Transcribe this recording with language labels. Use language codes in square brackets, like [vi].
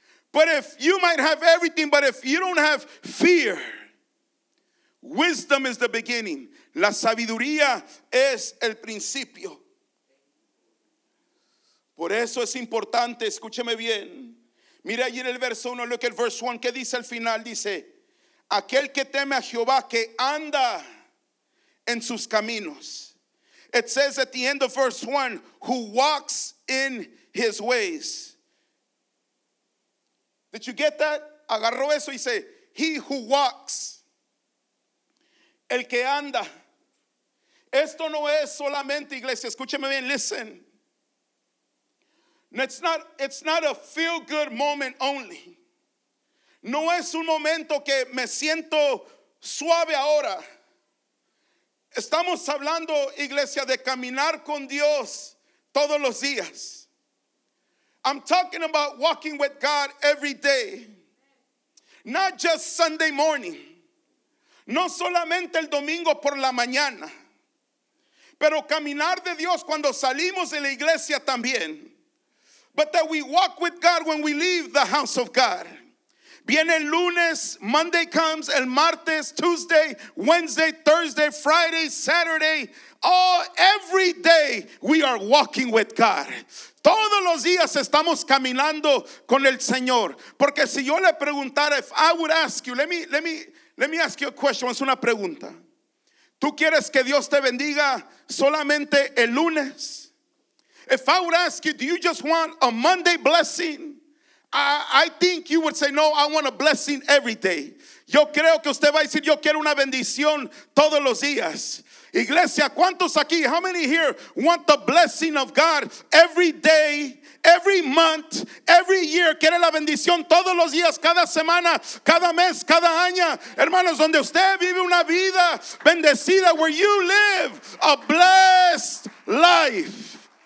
[en] But if you might have everything, but if you don't have fear, wisdom is the beginning. [es] La sabiduría es el principio. Por eso es importante, escúcheme bien. Mira allí en el verso 1, [en] look at verse 1, [es] ¿qué dice al final? Dice, aquel que teme a Jehová, que anda en sus caminos. [en] It says at the end of verse 1, who walks in his ways. Did you get that? [es] Agarró eso y dice, [en] He who walks. [es] El que anda. Esto no es solamente iglesia. Escúcheme bien. [en] Listen. It's not a feel good moment only. [es] No es un momento que me siento suave ahora. Estamos hablando, iglesia, de caminar con Dios todos los días. [en] I'm talking about walking with God every day. Not just Sunday morning. [es] No solamente el domingo por la mañana. Pero caminar de Dios cuando salimos de la iglesia también. [en] But that we walk with God when we leave the house of God. [es] Viene el lunes, [en] Monday comes, [es] el martes, [en] Tuesday, Wednesday, Thursday, Friday, Saturday. Oh, every day we are walking with God. [es] Todos los días estamos caminando con el Señor. Porque si yo le preguntara, [en] if I would ask you, let me ask you a question, [es] es una pregunta. ¿Tú quieres que Dios te bendiga solamente el lunes? [en] If I would ask you, do you just want a Monday blessing? I think you would say, no, I want a blessing every day. [es] Yo creo que usted va a decir, yo quiero una bendición todos los días. Iglesia, ¿cuántos aquí? [en] How many here want the blessing of God every day, every month, every year? [es] ¿Quiere la bendición todos los días, cada semana, cada mes, cada año? Hermanos, donde usted vive una vida bendecida, [en] where you live a blessed life.